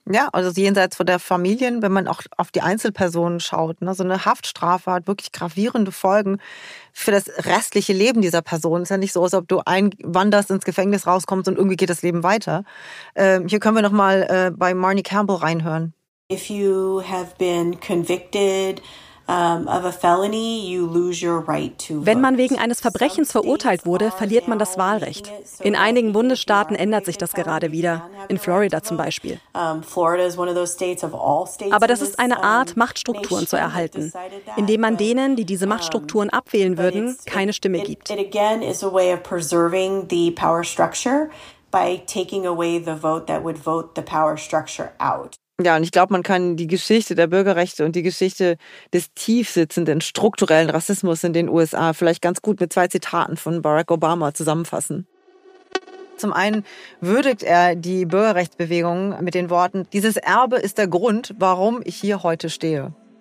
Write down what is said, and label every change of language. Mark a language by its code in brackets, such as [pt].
[de] Ja, also jenseits von der Familien, wenn man auch auf die Einzelpersonen schaut, ne, so eine Haftstrafe hat wirklich gravierende Folgen für das restliche Leben dieser Person. Ist ja nicht so, als ob du einwanderst, ins Gefängnis rauskommst und irgendwie geht das Leben weiter. Hier können wir nochmal bei Marnie Campbell reinhören. [en] If you have been convicted of a felony, you lose your right to vote. [de] Wenn man wegen eines Verbrechens verurteilt wurde, verliert man das Wahlrecht. In einigen Bundesstaaten ändert sich das gerade wieder, in Florida zum Beispiel. Aber das ist eine Art, Machtstrukturen zu erhalten, indem man denen, die diese Machtstrukturen abwählen würden, keine Stimme gibt. [en] It again is a way of preserving the power structure by taking away the vote that would vote the power structure out. [de] Ja, und ich glaube, man kann die Geschichte der Bürgerrechte und die Geschichte des tiefsitzenden strukturellen Rassismus in den USA vielleicht ganz gut mit zwei Zitaten von Barack Obama zusammenfassen. Zum einen würdigt er die Bürgerrechtsbewegung mit den Worten: Dieses Erbe ist der Grund, warum ich hier heute stehe.